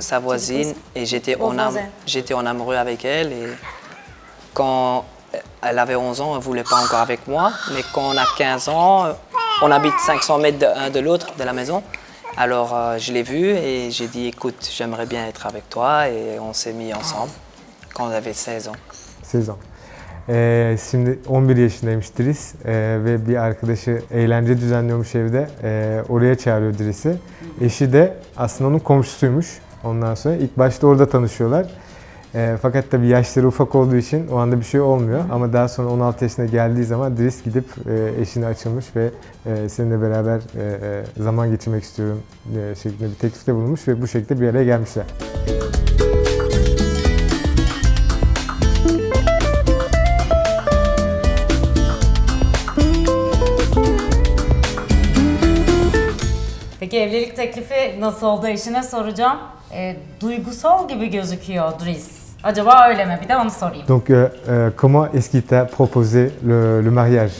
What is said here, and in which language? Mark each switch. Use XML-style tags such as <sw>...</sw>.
<fr>Sa voisine et j'étais en amoureux avec elle et quand elle avait 11 ans, elle voulait pas encore avec moi, mais quand on a 15 ans, on habite 500 mètres d'un de l'autre de la maison. Alors je l'ai vue et j'ai dit écoute, j'aimerais bien être avec toi et on s'est mis ensemble quand on avait 16 ans. 16 ans.</fr> <tr>Şimdi 11 yaşındaymış Dries ve bir arkadaşı eğlence düzenliyormuş evde. Oraya çağırıyor Dries'i. Eşi de aslında onun komşusuymuş. Ondan sonra ilk başta orada tanışıyorlar. Fakat tabii yaşları ufak olduğu için o anda bir şey olmuyor. Ama daha sonra 16 yaşına geldiği zaman Dries gidip eşine açılmış ve seninle beraber zaman geçirmek istiyorum şeklinde bir teklifte bulunmuş ve bu şekilde bir araya gelmişler. Peki evlilik teklifi nasıl oldu eşine soracağım. Duygusal gibi gözüküyor Dries. Acaba öyle mi? Bir de onu sorayım.</tr> <fr>Donc comment est-ce qu'il t'a proposé le mariage?</fr>